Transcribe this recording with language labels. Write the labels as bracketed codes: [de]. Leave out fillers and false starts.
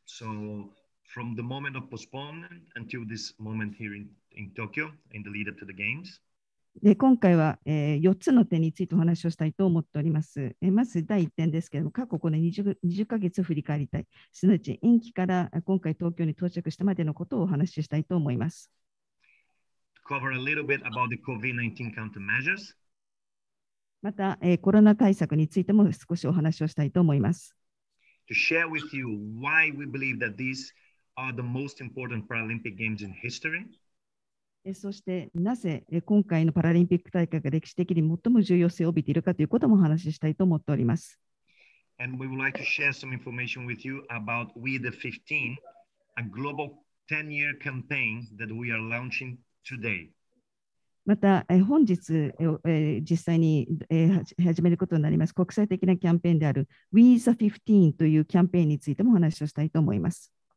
[en] So from the moment of postponement until this moment here in Tokyo, in the lead up to the games. [ja] で今回は、4つの点についてお話をしたいと思っております。まず第1点ですけれども、過去の 20ヶ月振り返りたい、すなわち延期から今回東京に到着したまでのことをお話ししたいと思います。 [en] cover a little bit about the COVID-19 countermeasures. [ja] また、コロナ対策についても少しお話をしたいと思います。 [en] to share with you why we believe that these are the most important Paralympic Games in history [ja] そしてなぜ今回のパラリンピック大会が歴史的に最も重要性を帯びているかということもお話ししたいと思っております。 [en] And we would like to share some information with you about We the 15, a global 10-year campaign that we are launching today. [ja] また本日実際に始めることになります国際的なキャンペーンである We the 15 というキャンペーンについてもお話をしたいと思います。